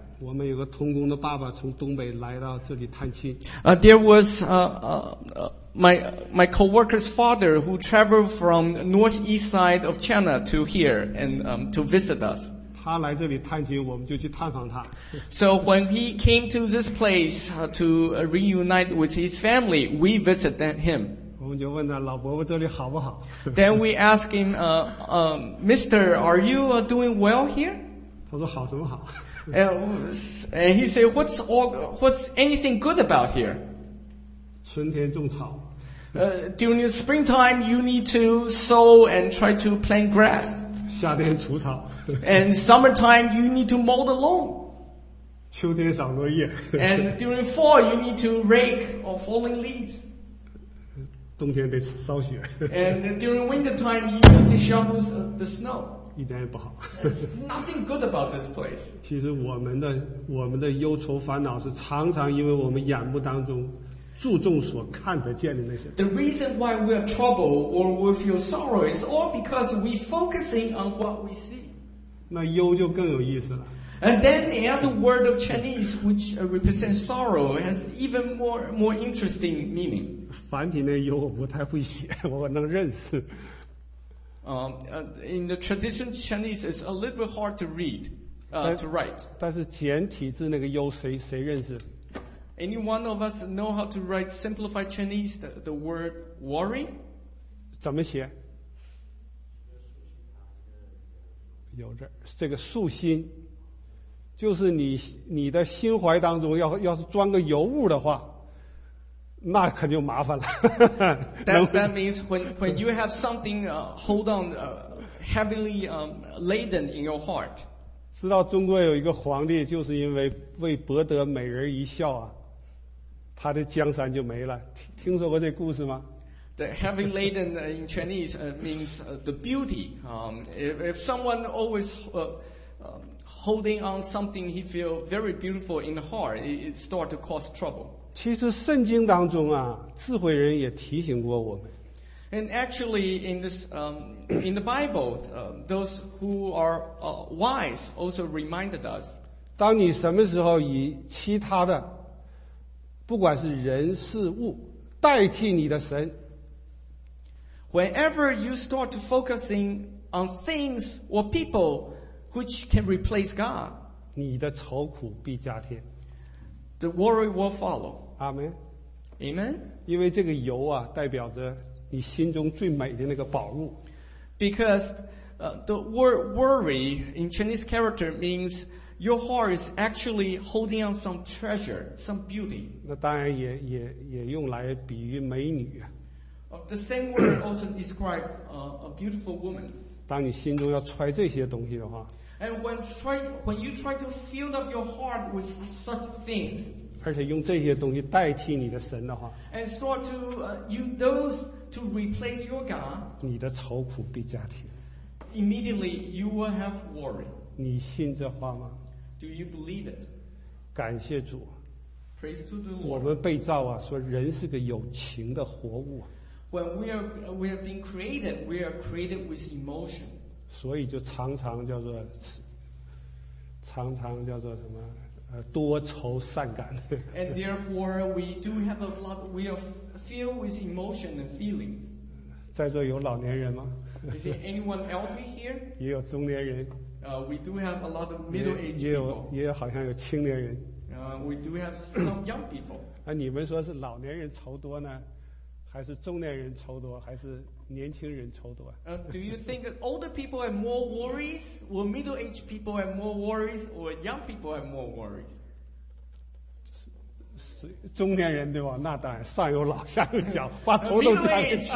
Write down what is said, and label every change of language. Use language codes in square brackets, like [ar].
[zh] 我们有个同工的爸爸从东北来到这里探亲。 [en] There was my co-worker's father who traveled from northeast side of China to here and to visit us. [zh] 他来这里探亲，我们就去探访他。 [en] So when he came to this place to reunite with his family, we visited him. [zh] 我们就问他老伯伯这里好不好。 [en] Then we asked him, Mister, are you doing well here? [zh] 他说好什么好。 [en] And he said, what's anything good about here? [zh] 春天种草。 [en] During the springtime, you need to sow and try to plant grass. [zh] 夏天除草。 [en] And summertime, you need to mow the lawn. [zh] 秋天赏落叶。 [en] And during fall, you need to rake or falling leaves. [zh] 冬天得扫雪。 [en] And during wintertime, you need to shovel the snow. [zh] 一点也不好。 [en] Nothing good about this place. [zh] 其实我们的忧愁烦恼是常常因为我们眼目当中注重所看得见的那些。 [en] The reason why we are troubled or we feel sorrow is all because we focusing on what we see. [zh] 那忧就更有意思了。 [en] And then the other word of Chinese which represents sorrow has even more interesting meaning. [zh] 繁体那忧我不太会写，我能认识。 [en] In the traditional Chinese, it's a little bit hard to read, to write. [zh] 但是简体字那个忧谁认识？ [en] Any one of us know how to write simplified Chinese the word worry? [zh] 怎么写？有这个素心，就是你的心怀当中要是装个尤物的话。那可就麻烦了。 [en] That means when you have something hold on heavily laden in your heart. [zh] 知道中国有一个皇帝，就是因为为博得美人一笑啊，他的江山就没了。听说过这故事吗 [en] ？The heavy laden in Chinese means the beauty. If someone always holding on something he feel very beautiful in the heart, it start to cause trouble. [zh] 其实圣经当中啊，智慧人也提醒过我们。 [en] And actually, in this, in the Bible, those who are wise also reminded us. [zh] 当你什么时候以其他的，不管是人事物，代替你的神 [en] ，Whenever you start to focusing on things or people which can replace God, [zh] 你的愁苦必加添。 [en] The worry will follow. Amen. Amen. [zh] 因为这个油啊，代表着你心中最美的那个宝物。 [en] Because the word worry in Chinese character means your heart is actually holding on some treasure, some beauty. [zh] 那当然也用来比喻美女。 [en] The same word also describe a beautiful woman. [zh] 当你心中要揣这些东西的话。 [en] And when you try to fill up your heart with such things, [zh] 而且用这些东西代替你的神的话， [en] and start to use those to replace your God, [zh] 你的愁苦必加添。 [en] Immediately you will have worry. [zh] 你信这话吗？ [en] Do you believe it? [zh] 感谢主。 [en] Praise to the Lord. [zh] 我们被造啊，说人是个有情的活物。 [en] When we are being created, we are created with emotion. [zh] 所以就常常叫做什么多愁善感。 [en] And therefore we do have a lot, we are filled with emotion and feelings. [zh] 在座有老年人吗？ [en] Is there anyone elderly here? [zh] 也有中年人。 [en] We do have a lot of middle-aged people. [zh] 也有好像有青年人。 [en] We do have some young people. [zh] 啊，你们说是老年人愁多呢，还是中年人愁多，还是年轻人愁多？ [en] Do you think older people have more worries, or middle-aged people have more worries, or young people have more worries? [zh] 中年人对吧？那当然，上有老，下有小，把愁都加进去。